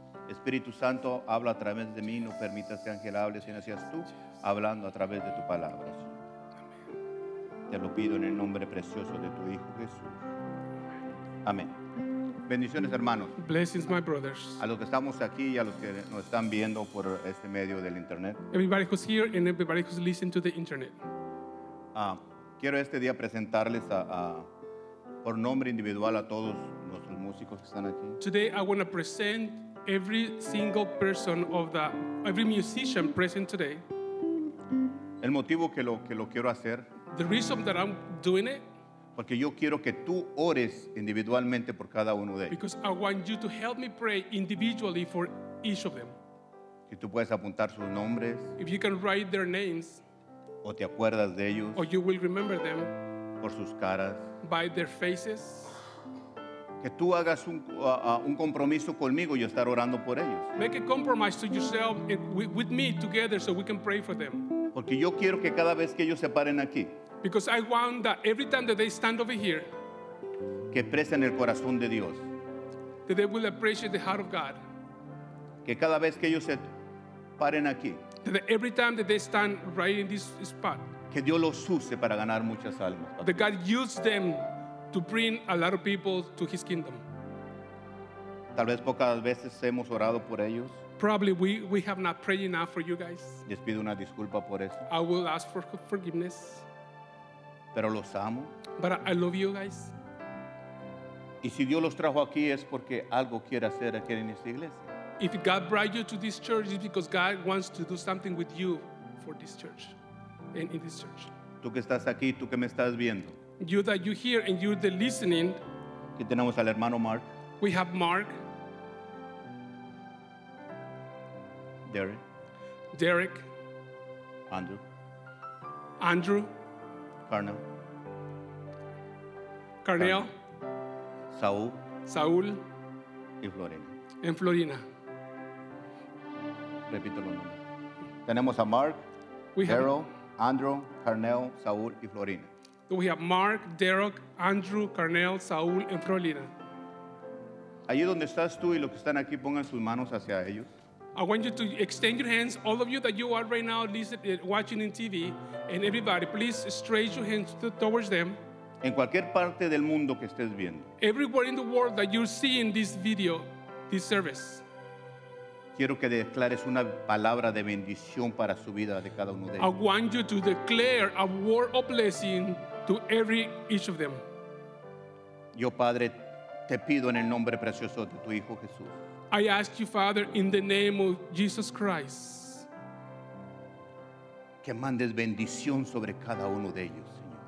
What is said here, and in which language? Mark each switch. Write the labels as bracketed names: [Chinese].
[Spanish] Espíritu Santo, habla a través de mí, no permitas que ángel hable, sino seas tú hablando a través de tu palabra, Señor. Te lo pido en el nombre precioso de tu Hijo Jesús. Amén. Bendiciones, hermanos. [English] Blessings, my brothers. [Spanish] A los que estamos aquí y a los que nos están viendo por este medio del internet. [English] Everybody who's here and everybody who's listening to the internet. [Spanish] Quiero este día presentarles a por nombre individual a todos nuestros músicos que están aquí. [English] Today I want to present every single person of the every musician present today. [Spanish] El motivo que lo quiero hacer. [English] The reason that I'm doing it. [Spanish] Porque yo quiero que tú ores individualmente por cada uno de ellos. [English] Because I want you to help me pray individually for each of them. [Spanish] Si tú puedes apuntar sus nombres. [English] If you can write their names. [Spanish] O te acuerdas de ellos. [English] Or you will remember them. [Spanish] Por sus caras. [English] By their faces. [Spanish] Que tú hagas un compromiso conmigo y estar orando por ellos. [English] Make a compromise to yourself with me together so we can pray for them. [Spanish] Porque yo quiero que cada vez que ellos se paren aquí. [English] Because I want that every time that they stand over here, [Spanish] que presen el corazón de Dios, [English] that they will appreciate the heart of God. [Spanish] Que cada vez que ellos se paren aquí, [English] that every time that they stand right in this spot, [Spanish] que Dios los use para ganar muchas almas. [English] That God used them to bring a lot of people to His kingdom. [Spanish] Tal vez pocas veces hemos orado por ellos. [English] Probably we have not prayed enough for you guys. [Spanish] Les pido una disculpa por eso. [English] I will ask for forgiveness. [Spanish] Pero los amo. [English] But I love you guys. [Spanish] Y si Dios los trajo aquí es porque algo quiere hacer aquí en esta iglesia. [English] If God brought you to this church, it's because God wants to do something with you for this church and in this church. [Spanish] Tú que estás aquí, tú que me estás viendo. [English] You that you here and you're the listening. [Spanish] Aquí tenemos al hermano Mark. [English] We have Mark. Derek. Andrew. Carnell. [Spanish] Saul. Y Florina. En Florina. Repito los nombres. Tenemos a Mark, Daryl, Andrew, Carnell, Saul y Florina. [English] We have Mark, Derek, Andrew, Carnell, Saul y Florina. [Spanish] Allí donde estás tú y los que están aquí, pongan sus manos hacia ellos. [English] I want you to extend your hands, all of you that you are right now listening, watching in TV, and everybody, please stretch your hands towards them. [Spanish] En cualquier parte del mundo que estés viendo. [English] Everywhere in the world that you're seeing this video, this service. [Spanish] Quiero que declares una palabra de bendición para su vida de cada uno de ellos. [English] I want you to declare a word of blessing to every each of them. [Spanish] Yo, Padre, te pido en el nombre precioso de tu Hijo Jesús. [English] I ask you, Father, in the name of Jesus Christ, [Spanish] que mandes bendición sobre cada uno de ellos, Señor.